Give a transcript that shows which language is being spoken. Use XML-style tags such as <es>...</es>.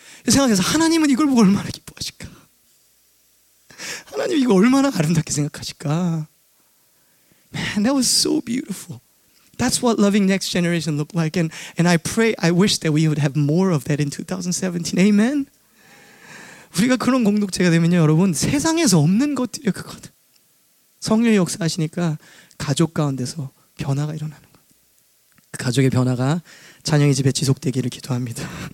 <ko>생각해서 하나님은 이걸 보고 얼마나 기뻐하실까? 하나님 이거 얼마나 아름답게 생각하실까?</ko> <en>Man, that was so beautiful. That's what loving next generation looked like. And I pray, I wish that we would have more of that in 2017. Amen?</en> <ko>우리가 그런 공동체가 되면요, 여러분. 세상에서 없는 것들이 그거든. 성령 역사하시니까 가족 가운데서 변화가 일어나는 거. 그 가족의 변화가 찬영이 집에 지속되기를 기도합니다.</ko>